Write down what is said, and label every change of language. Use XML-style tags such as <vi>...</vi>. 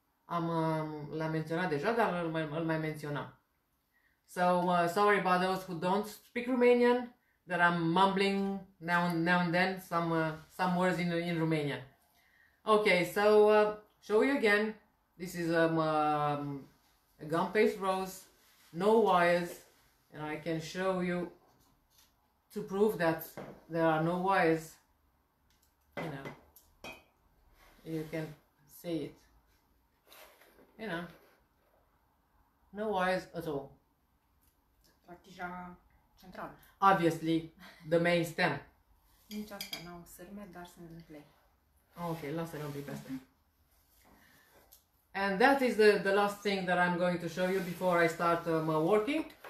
<ro>L-am menționat deja, dar îl mai menționam.</ro> <en>So, sorry about those who don't speak Romanian, that I'm mumbling now and then some words in Romanian. Okay, so show you again. This is a gum paste rose, no wires. And I can show you to prove that there are no wires, you know, you can see it, you know, no wires at all.</en> <ro>La tija centrală.</ro> <en>Obviously, the main stem.</en> <ro>Nici asta, n-au sârme, dar sunt în clay. Ok, lasă-le un pic pe asta.</ro> <en>And that is the last thing that I'm going to show you before I start working.</en>